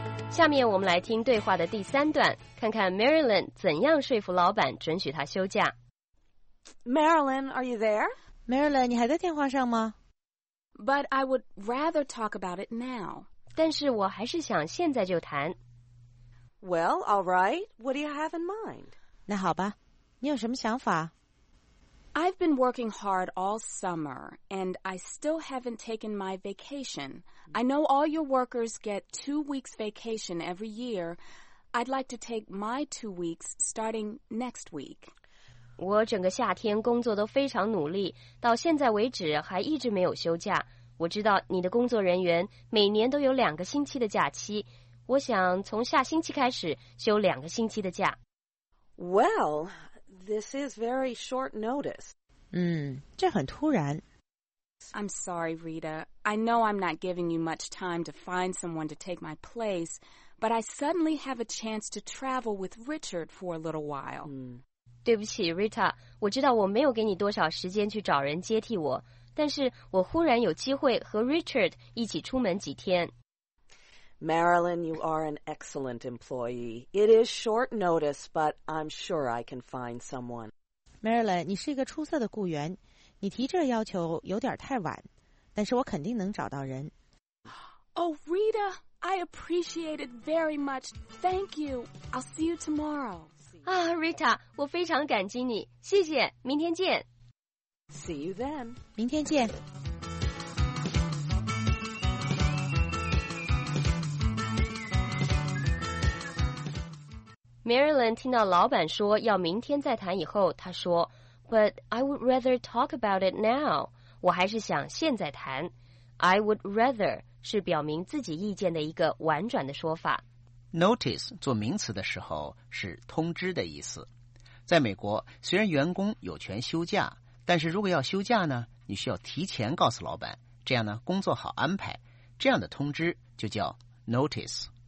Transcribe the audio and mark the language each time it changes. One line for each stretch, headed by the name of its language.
Chinese: 下面我们来听对话的第三段，看看 Marilyn 怎样说服老板准许她休假。
English: Marilyn, are you there?
Chinese: Marilyn, 你还在电话上吗？
English: But I would rather talk about it now.
Chinese: 但是我还是想现在就谈。
English: Well, all right. What do you have in mind?
Chinese: 那好吧，你有什么想法？
English: I've been working hard all summer, and I still haven't taken my vacation. I know all your workers get 2 weeks vacation every year. I'd like to take my 2 weeks starting next week.
Chinese: 我整个夏天工作都非常努力，到现在为止还一直没有休假。我知道你的工作人员每年都有两个星期的假期，我想从下星期开始休两个星期的假。
English: Well, this is very short notice.
Chinese: 这很突然。
English: I'm sorry, Rita. I know I'm not giving you much time to find someone to take my place, but I suddenly have a chance to travel with Richard for a little while.
Chinese: 对不起 ,Rita, 我知道我没有给你多少时间去找人接替我，但是我忽然有机会和 Richard 一起出门几天。
English: Marilyn, you are an excellent employee. It is short notice, but I'm sure I can find someone.
Chinese: Marilyn, 你是一个出色的雇员。你提这要求有点太晚，但是我肯定能找到人。
English: Oh, Rita, I appreciate it very much. Thank you. I'll see you tomorrow.
Chinese: Rita, 我非常感激你，谢谢，明天见。
English: See you then.
Chinese: 明天见。 Marilyn 听到老板说要明天再谈以后，她说
English: But I would rather talk about it now.
Chinese: 我还是想现在谈。
English: I would rather
Chinese: 是表明自己意见的一个婉转的说法。 Notice 做名词的时候是通知的意思。在美国，虽然员工有权休假，但是如果要休假呢，你需要提前告诉老板，这样呢工作好安排。这样的通知就叫 notice。